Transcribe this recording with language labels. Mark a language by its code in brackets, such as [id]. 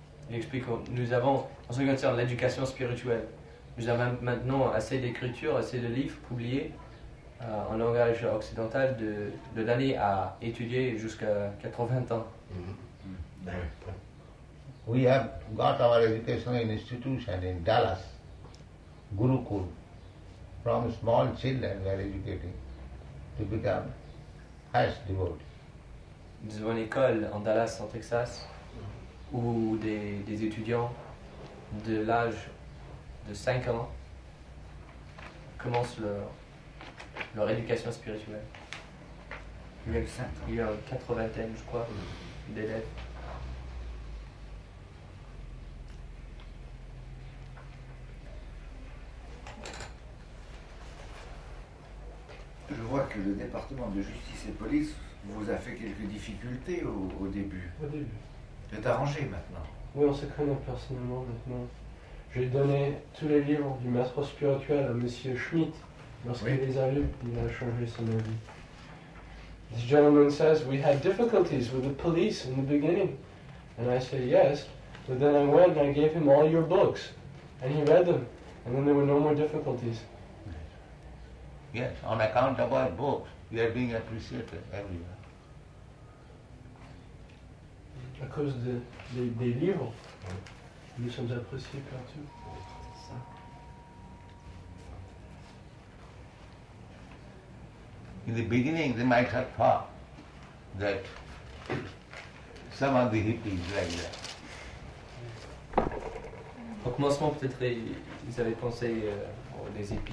[fr] Il explique, nous avons, en ce qui concerne l'éducation spirituelle, nous avons maintenant assez d'écritures, assez de livres publiés en langage occidental de l'année à étudier jusqu'à 80 ans. [en] We have got our education in institution in Dallas, Gurukul. From small children we are educating to become highest devotees. [fr] Nous avons une école en Dallas, en Texas, où des étudiants de l'âge de 5 ans commencent leur éducation spirituelle. Il y a 5 ans. Il y a 80, je crois, d'élèves. Je vois que le département de justice et police vous a fait quelques difficultés au début. Au début. C'est arrangé maintenant. Oui, on se connaît personnellement maintenant. J'ai donné tous les livres du maître spirituel à Monsieur Schmidt. Lorsqu'il les a lus, il a changé son avis. [en] This gentleman says, we had difficulties with the police in the beginning. And I said, yes, So then I went and I gave him all your books, and he read them, and then there were no more difficulties. Yes, on account of our books, we are being appreciated everywhere. [fr] À cause des livres, nous sommes appréciés partout. [en] In the beginning, they might have thought that some of the hippies like that. [fr] Au commencement, peut-être ils avaient pensé des hippies.